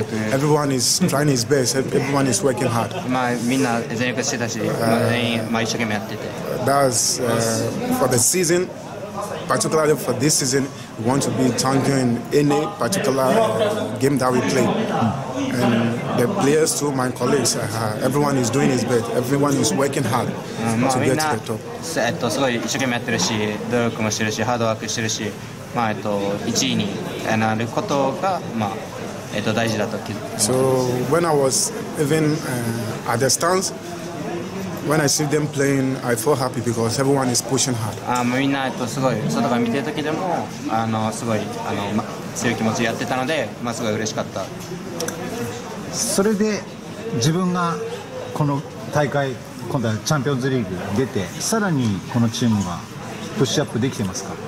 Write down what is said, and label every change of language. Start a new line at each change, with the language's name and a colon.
English: Everyone is trying his best. Everyone is working hard. That's for the season, particularly for this season. We want to be champion in any particular game that we play. And the players too, my colleagues, everyone is doing his best. Everyone is working hard to get to the top.
Japanese: すごい一生懸命やってるし、努力もしてるし、ハードワークしてるし、まあ1位になることが、まあ大事だと気づいて。
English: So when I was even at the stands, when I see them playing, I feel happy because everyone is pushing hard.
Japanese: みんなすごい外から見てる時でも、すごい強い気持ちやってたので、まあすごい嬉しかった。それで自分がこの大会今度はチャンピオンズリーグ出てさらにこのチームがプッシュアップできてますか、